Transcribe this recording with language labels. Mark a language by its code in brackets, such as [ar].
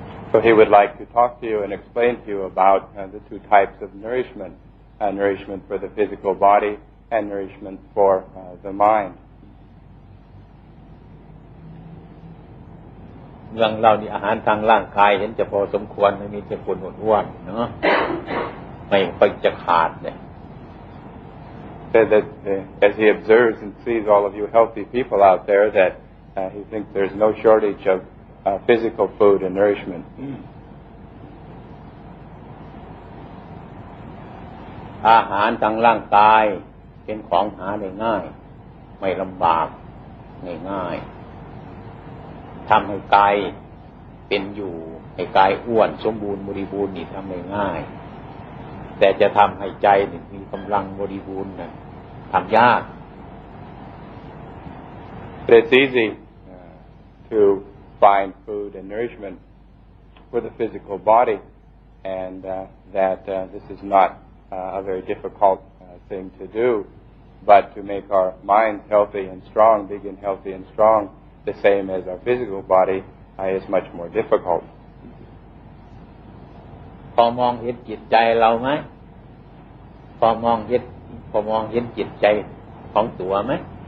[en] So he would like to talk to you and explain to you about the two types of nourishment, nourishment for the physical body and nourishment for the mind. [th] เมืองเรานี่อาหารทางร่างกายเห็นจะพอสมควรไม่มีเจ็บปวดหนวดว่วนเนาะไม่ค่อยจะขาดเนี่ย [en] said that as he observes and sees all of you healthy people out there that he thinks there's no shortage of physical food and nourishment [th] อาหารทางร่างกายเป็นของหาได้ง่ายไม่ลำบากง่ายทำให้กายเป็นอยู่ให้กายอ้วนสมบูรณ์บริบูรณ์นี่ทำง่ายแต่จะทำให้ใจมีกำลังบริบูรณ์นะทำยาก [en] But it's easy to find food and nourishment for the physical body and that this is not a very difficult thing to do but to make our minds healthy and strong big and healthy and strongthe same as our physical body is much more difficult [th] พอมองเห็นจิตใจเรามั้ยพอมองเห็นจิตใจของตัวมั้ย